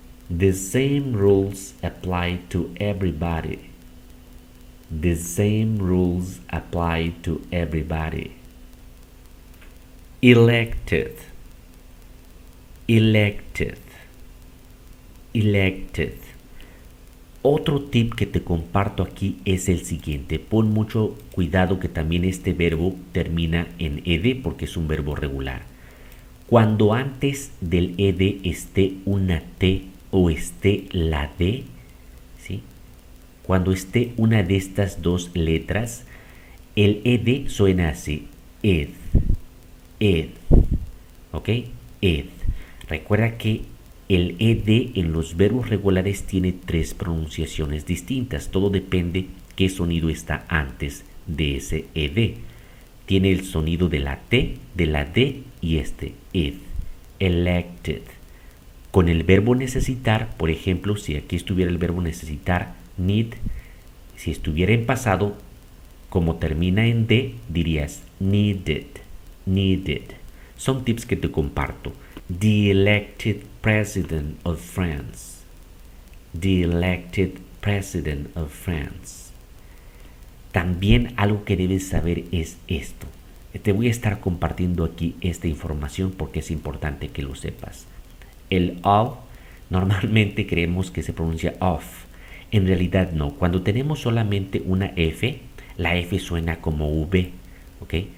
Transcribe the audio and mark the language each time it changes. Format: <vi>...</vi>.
<en>The same rules apply to everybody. The same rules apply to everybody. Elected, elected, elected.</en> <es>Otro tip que te comparto aquí es el siguiente. Pon mucho cuidado que también este verbo termina en ed porque es un verbo regular. Cuando antes del ed esté una t o esté la d, ¿sí? Cuando esté una de estas dos letras, el ed suena así, ed, ed, ¿ok? Ed. Recuerda que el ed en los verbos regulares tiene tres pronunciaciones distintas. Todo depende qué sonido está antes de ese ed. Tiene el sonido de la t, de la d y este, ed, elected. Con el verbo necesitar, por ejemplo, si aquí estuviera el verbo necesitar, need, si estuviera en pasado, como termina en D, dirías needed, needed. Son tips que te comparto.</es> <en>The elected president of France. The elected president of France.</en> <es>También algo que debes saber es esto. Te voy a estar compartiendo aquí esta información porque es importante que lo sepas. El of, normalmente creemos que se pronuncia of. En realidad no. Cuando tenemos solamente una F, la F suena como V. ¿Ok?</es>